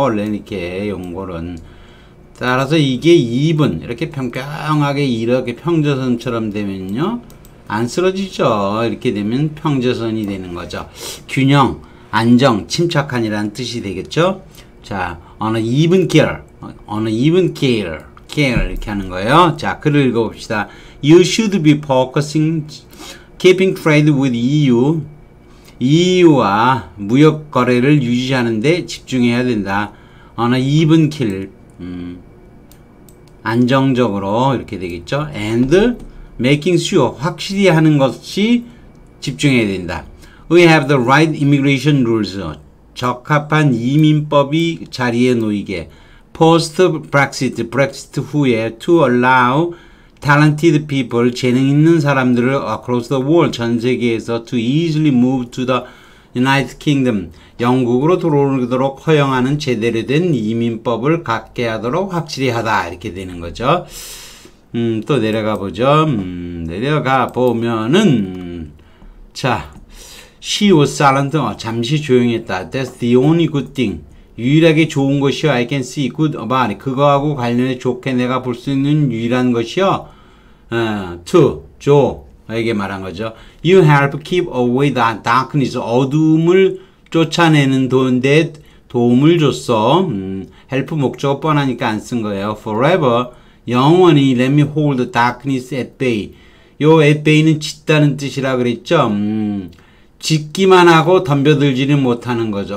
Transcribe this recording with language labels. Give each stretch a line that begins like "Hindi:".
Korean: 원래 이렇게 용골은. 따라서 이게 이분 이렇게 평평하게 이렇게 평조선처럼 되면요 안 쓰러지죠. 이렇게 되면 평조선이 되는 거죠. 균형, 안정, 침착한이라는 뜻이 되겠죠. 자, 어느 이분 케어. 어느 이븐 케일 케일 이렇게 하는 거예요. 자, 글을 읽어봅시다.
English: You should be focusing keeping trade with EU.
Korean: EU와 무역 거래를 유지하는데 집중해야 된다. 어느 이븐 케일 안정적으로 이렇게 되겠죠. And making sure 확실히 하는 것이 집중해야 된다.
English: We have the right immigration rules.
Korean: 적합한 이민법이 자리에 놓이게.
English: Post Brexit, Brexit 후에 to allow talented people, 재능 있는 사람들을 across the world, 전 세계에서 to easily move to the United Kingdom, 영국으로 들어오도록 허용하는 제대로 된 이민법을 갖게 하도록 확실히 하다.
Korean: 이렇게 되는 거죠. 또 내려가 보죠. 내려가 보면은, 자, she was silent, 잠시 조용했다.
English: That's the only good thing. 유일하게 좋은 것이요. I can see good about it.
Korean: 그거하고 관련해 좋게 내가 볼수 있는 유일한 것이요. To, 조에게 말한 거죠.
English: You help keep away the darkness.
Korean: 어둠을 쫓아내는 돈데 도움을 줬어. Help 목적어 뻔하니까 안쓴 거예요.
English: Forever. 영원히 let me hold the darkness at bay.
Korean: 요 at bay는 짓다는 뜻이라 그랬죠. 짓기만 하고 덤벼들지는 못하는 거죠.